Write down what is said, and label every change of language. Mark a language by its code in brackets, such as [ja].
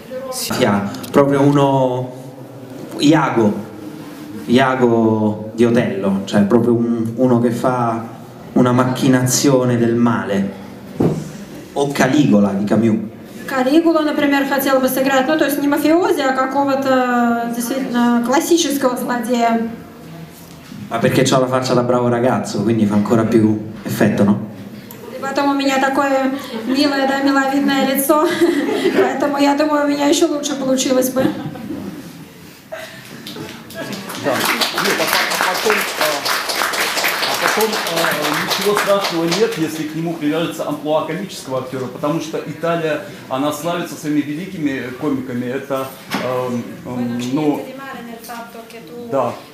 [it] Sia proprio uno Iago di Otello, cioè proprio uno che fa una macchinazione del male, o Caligola di Camus. [ru] Caligola, например, хотел бы сыграть, ну то есть не мафиози, а какого-то действительно классического злодея. [it] Ma perché c'ha la faccia da bravo ragazzo, quindi fa ancora più effetto, no? [ru] Потом у меня такое милое, да, миловидное лицо, поэтому я думаю, у меня еще лучше получилось бы. Да. Нет, а потом ничего страшного нет, если к нему привяжется амплуа комического актера, потому что Италия, она славится своими великими комиками, это, ну, да.